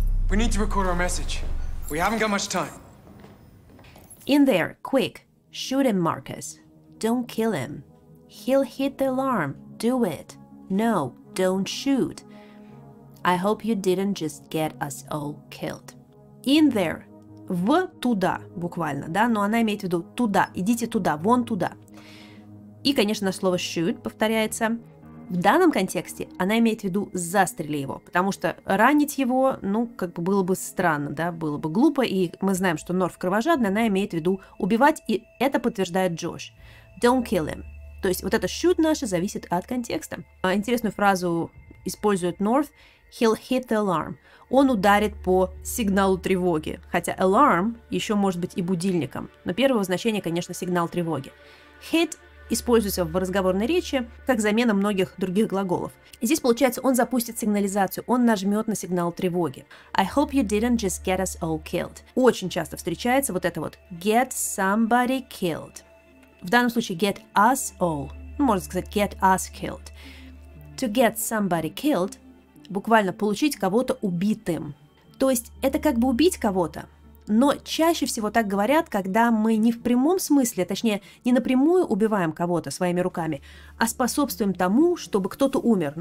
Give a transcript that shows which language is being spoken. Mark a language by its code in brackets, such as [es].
[en] We need to record our message. We haven't got much time. In there, quick. Shoot him, Marcus. Don't kill him. He'll hit the alarm. Do it. No, don't shoot. I hope you didn't just get us all killed. In there, [ru] в туда, буквально, да, но она имеет в виду туда, идите туда, вон туда. И, конечно, слово shoot повторяется. В данном контексте она имеет в виду застрели его, потому что ранить его, ну, как бы было бы странно, да, было бы глупо, и мы знаем, что Норф кровожадный, она имеет в виду убивать, и это подтверждает Джош. [en] Don't kill him. [ru] То есть вот это shoot наше зависит от контекста. Интересную фразу использует Норф. [en] He'll hit the alarm. [ru] Он ударит по сигналу тревоги. Хотя alarm еще может быть и будильником. Но первое значение, конечно, сигнал тревоги. Hit используется в разговорной речи как замена многих других глаголов. И здесь получается, он запустит сигнализацию. Он нажмет на сигнал тревоги. [en] I hope you didn't just get us all killed. [ru] Очень часто встречается вот это вот. [en] Get somebody killed. [ru] В данном случае [en] get us all. [ru] Ну, можно сказать [en] get us killed. To get somebody killed. [ru] Буквально получить кого-то убитым. То есть это как бы убить кого-то, но чаще всего так говорят, когда мы не в прямом смысле, точнее, не напрямую убиваем кого-то своими руками, а способствуем тому, чтобы кто-то умер.